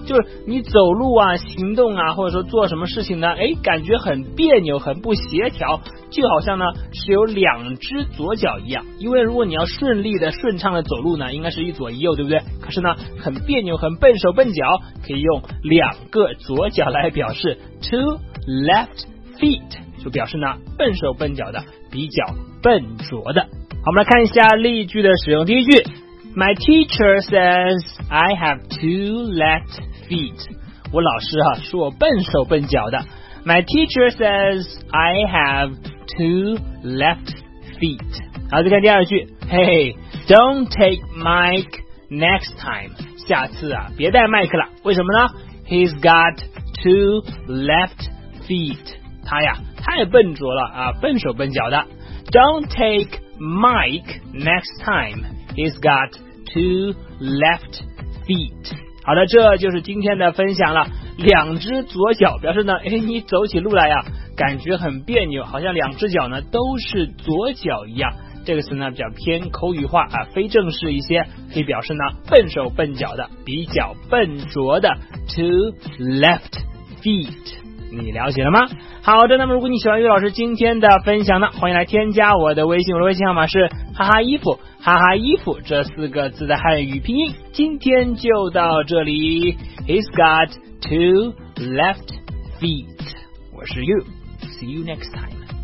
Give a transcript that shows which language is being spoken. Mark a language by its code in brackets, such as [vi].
[zh] 就是你走路啊、行动啊，或者说做什么事情呢，哎，感觉很别扭、很不协调，就好像呢是有两只左脚一样。因为如果你要顺利的、顺畅的走路呢，应该是一左一右，对不对？可是呢很别扭、很笨手笨脚，可以用两个左脚来表示 [en] two left feet， [zh] 就表示呢笨手笨脚的、比较笨拙的。好，我们来看一下例句的使用。第一句， [en] My teacher says I have two left feet. [zh] 我老师啊说我笨手笨脚的。 [en] My teacher says I have two left feet. [zh] 好，再看第二句。 [en] Hey, don't take Mike next time. [zh] 下次啊别带麦克了。为什么呢？ [en] He's got two left feet. [zh] 他呀太笨拙了啊，笨手笨脚的。 [en] Don't take Mike next time. He's got two left feet. [zh] 好的，这就是今天的分享了。两只左脚表示呢，哎，你走起路来呀，感觉很别扭，好像两只脚呢都是左脚一样。这个词呢比较偏口语化啊，非正式一些，可以表示呢笨手笨脚的、比较笨拙的 [en] two left feet。 [zh] 你了解了吗？好的，那么如果你喜欢于老师今天的分享呢，欢迎来添加我的微信，我的微信号码是哈哈衣服，哈哈衣服这四个字的汉语拼音。今天就到这里， [en] He's got two left feet. [zh] 我是 [en] You, see you next time.